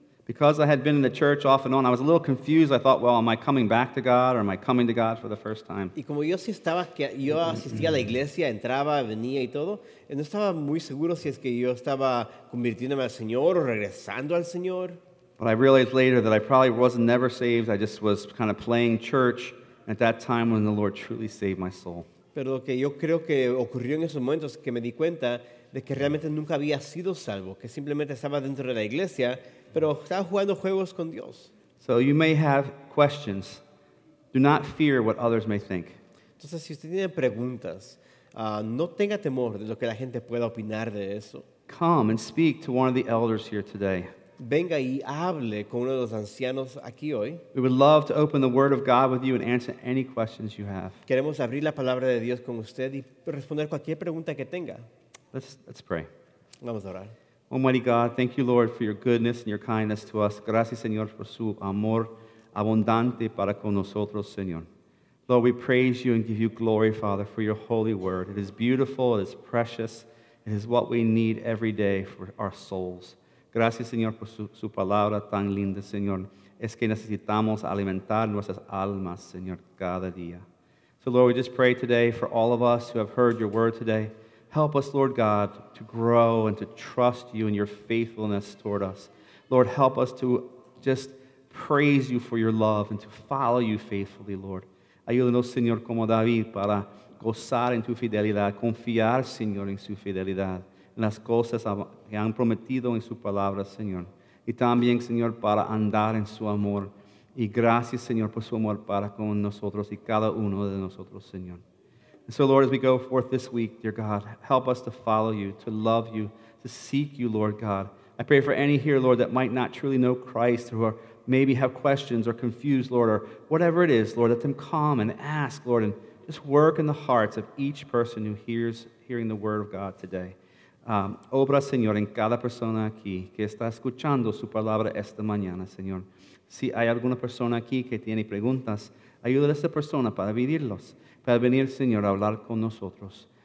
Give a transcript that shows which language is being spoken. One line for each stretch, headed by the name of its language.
English: Because I had been in the church off and on, I was a little confused. I thought, well, am I coming back to God or am I coming to God for the first time?
Spanish: Y como yo asistía a la iglesia, entraba, venía y todo, y no estaba muy seguro si es que yo estaba convirtiéndome al Señor o regresando al Señor.
English: But I realized later that I probably was never saved. I just was kind of playing church at that time when the Lord truly saved my soul.
Spanish: Pero lo que yo creo que ocurrió en esos momentos es que me di cuenta de que realmente nunca había sido salvo, que simplemente estaba dentro de la iglesia, pero estaba jugando juegos con Dios.
English: So you may have questions. Do not fear what others may think.
Spanish: Entonces, si usted tiene preguntas, no tenga temor de lo que la gente pueda opinar de eso.
English: Come and speak to one of the elders here today.
Spanish: Venga y hable con uno de los ancianos aquí hoy.
English: We would love to open the Word of God with you and answer any questions you have.
Spanish: Queremos abrir la palabra de Dios con usted y responder cualquier pregunta que tenga.
English: Let's pray.
Spanish: Vamos a orar.
English: Almighty God, thank you, Lord, for your goodness and your kindness to us.
Spanish: Gracias, Señor, por su amor abundante para con nosotros, Señor.
English: Lord, we praise you and give you glory, Father, for your holy Word. It is beautiful, it is precious, it is what we need every day for our souls.
Spanish: Gracias, Señor, por su palabra tan linda, Señor. Es que necesitamos alimentar nuestras almas, Señor, cada día.
English: So, Lord, we just pray today for all of us who have heard your word today. Help us, Lord God, to grow and to trust you and your faithfulness toward us. Lord, help us to just praise you for your love and to follow you faithfully, Lord.
Spanish: Ayúdanos, Señor, como David, para gozar en tu fidelidad, confiar, Señor, en su fidelidad. Las cosas que han prometido en su palabra, Señor. Y también, Señor, para andar en su amor. Y gracias, Señor, por su amor para con nosotros y cada uno de nosotros, Señor.
English: And so, Lord, as we go forth this week, dear God, help us to follow you, to love you, to seek you, Lord God. I pray for any here, Lord, that might not truly know Christ or who maybe have questions or confused, Lord, or whatever it is, Lord, let them come and ask, Lord, and just work in the hearts of each person who hearing the word of God today.
Spanish: Obra, Señor, en cada persona aquí que está escuchando su palabra esta mañana, Señor. Si hay alguna persona aquí que tiene preguntas, ayuda a esa persona para vivirlos, para venir, Señor, a hablar con nosotros.